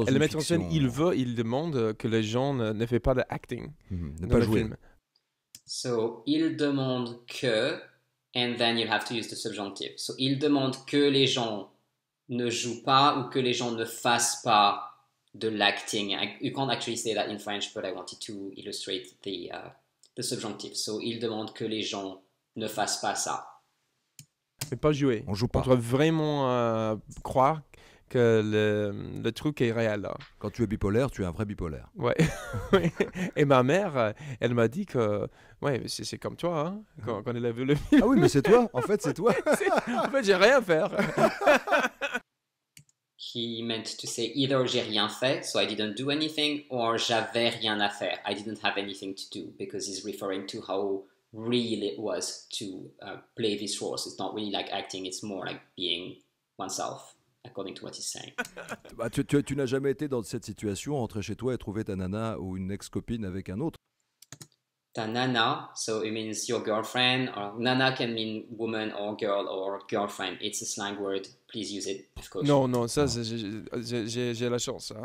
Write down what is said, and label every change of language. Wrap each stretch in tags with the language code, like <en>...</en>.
<fr>Et le metteur en scène, il demande que les gens ne fassent pas de acting, ne pas jouer.</fr> <en>So,</en> <fr>il demande que,</fr> <en>and then you have to use the subjonctive.</en> <fr>So, il demande que les gens ne jouent pas ou que les gens ne fassent pas de l'acting.</fr> <en>You can't actually say that in French, but I wanted to illustrate the subjonctive.</en> <fr>So, il demande que les gens ne fassent pas ça. Mais pas jouer. On joue pas. On doit vraiment croire que le truc est réel. Quand tu es bipolaire, tu es un vrai bipolaire. Ouais. Et ma mère, elle m'a dit que ouais, c'est comme toi, hein, quand elle a vu le film. Ah oui, mais c'est toi, en fait, c'est toi. En fait, j'ai rien à faire.</fr> <en>He meant to say either</en> <fr>j'ai rien fait,</fr> <en>so I didn't do anything, or</en> <fr>j'avais rien à faire,</fr> <en>I didn't have anything to do, because he's referring to how real it was to play this role. So it's not really like acting, it's more like being oneself, according to what he's saying.</en> <fr>Bah, tu n'as jamais été dans cette situation, rentrer chez toi et trouver ta nana ou une ex-copine avec un autre. Ta nana,</fr> <en>so it means your girlfriend, or nana can mean woman or girl or girlfriend. It's a slang word. Please use it, of course.</en> <fr>Non, non, ça, j'ai la chance. Hein,</fr>